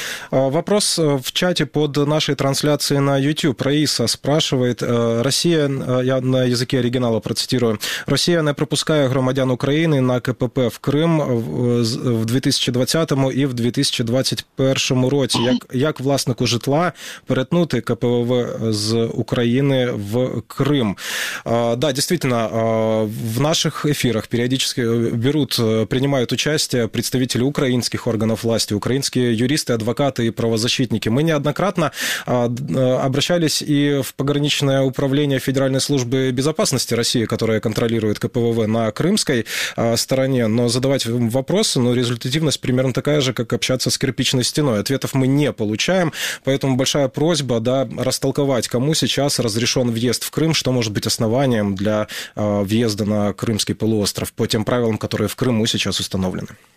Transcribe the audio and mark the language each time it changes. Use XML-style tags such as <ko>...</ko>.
<ru>Вопрос в чате под нашей трансляцией на YouTube. Раиса спрашивает, Россия, я на языке оригинала процитирую, Россия</ru> <uk>не пропускає громадян України на КПП в Крим в 2020 і в 2021 році. Як власнику житла перетнути КПВВ з України в Крим?</uk> <ru>Да, действительно, в наших</ru> <uk>ефірах періодично приймають</uk> <ru>участие представители</ru> <uk>українських органів власті, українські юристи,</uk> <ru>адвокаты и правозащитники. Мы неоднократно обращались и в пограничное управление Федеральной службы безопасности России, которое контролирует КПВВ на крымской стороне, но задавать вопросы, ну, результативность примерно такая же, как общаться с кирпичной стеной. Ответов мы не получаем, поэтому большая просьба, да, растолковать, кому сейчас разрешен въезд в Крым, что может быть основанием для въезда на крымский полуостров по тем правилам, которые в Крыму сейчас установлены.</ru>